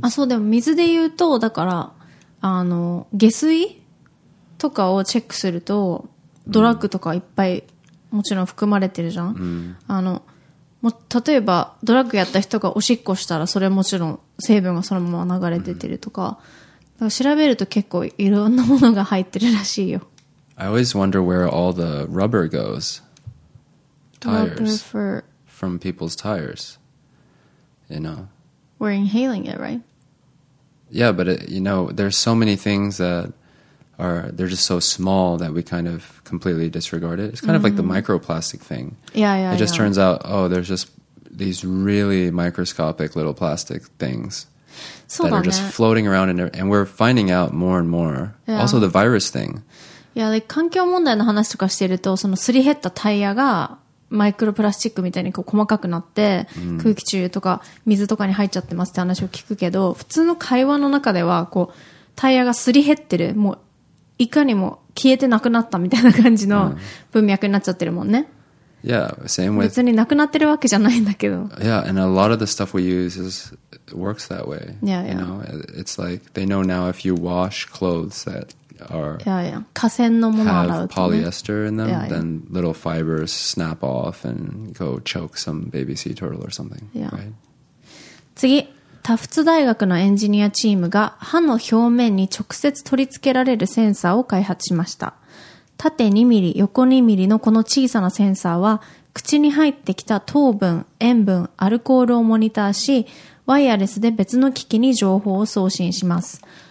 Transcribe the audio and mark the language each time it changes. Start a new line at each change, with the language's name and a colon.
Japanese: あ、そう、でも水で言うと、だから、あの、下水とかをチェックすると、ドラッグとかいっぱいもちろん含まれてるじゃん。 Hmm. あの、もう例えばドラッグやった人がおしっこしたらそれもちろん成分がそのまま流れ出てるとか、だから調べると結構いろんなものが入ってるらしいよ。
English: I always wonder where all the rubber goes. Tires. For... From people's tires. You know. We're inhaling it, right? Yeah, but it, you know, there's so many things that are, they're just so small that we kind of completely disregard it. It's kind of like the microplastic thing. Yeah. It just turns out, oh, there's just these really microscopic little plastic things that are just floating around and we're finding out more and more. Yeah. Also the virus thing. Yeah, like
Japanese: 環境問題の話とかしてると、そのすり減ったタイヤがマイクロプラスチックみたいにこう細かくなって、空気中とか水とかに入っちゃってますって話を聞くけど、普通の会話の中ではこうタイヤがすり減ってる、もういかにも消えてなくなったみたいな感じの文脈になっちゃってるもんね。
English: Yeah, same with...
Japanese: 別になくなってるわけじゃないんだけど。
English: Yeah, and a lot of the stuff we use is, works that way. Yeah, yeah. You know, it's like they know now if you wash clothes that are... Yeah, yeah.
Japanese: 河川のもの洗うとね。
English: Have polyester in them, then little fibers snap off and go choke some baby sea turtle or something. Yeah.
Japanese: 次。タフツ大学のエンジニアチームが歯の表面に直接取り付けられるセンサーを開発しました。縦2ミリ、横2ミリのこの小さなセンサーは口に入ってきた糖分、塩分、アルコールをモニターし、ワイヤレスで別の機器に情報を送信します。